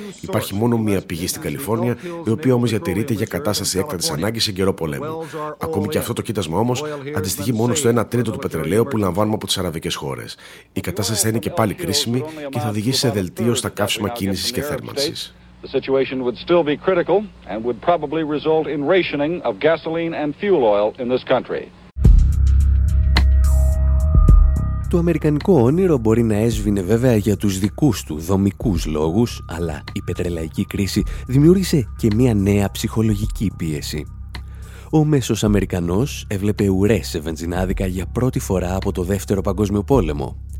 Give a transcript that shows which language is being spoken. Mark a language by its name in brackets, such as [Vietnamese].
[Greek] Υπάρχει μόνο μία πηγή στην Καλιφόρνια, η οποία όμως διατηρείται για κατάσταση έκτακτης ανάγκης σε καιρό πολέμου. Ακόμη και αυτό το κοίτασμα όμως αντιστοιχεί μόνο στο 1/3 του πετρελαίου που λαμβάνουμε από τις αραβικές χώρες. Η κατάσταση θα είναι και πάλι κρίσιμη και θα οδηγήσει σε δελτίο στα καύσιμα κίνησης και θέρμανσης. [English] The situation would still be critical and would probably result in rationing of gasoline and fuel oil in this country. [Greek] Το αμερικανικό όνειρο μπορεί να έσβηνε βέβαια για τους δικούς του δομικούς λόγους, αλλά η πετρελαϊκή κρίση δημιούργησε και μια νέα ψυχολογική πίεση. Ο μέσος Αμερικανός έβλεπε ουρές σε βενζινάδικα για πρώτη φορά από το Δεύτερο Παγκόσμιο Πόλεμο.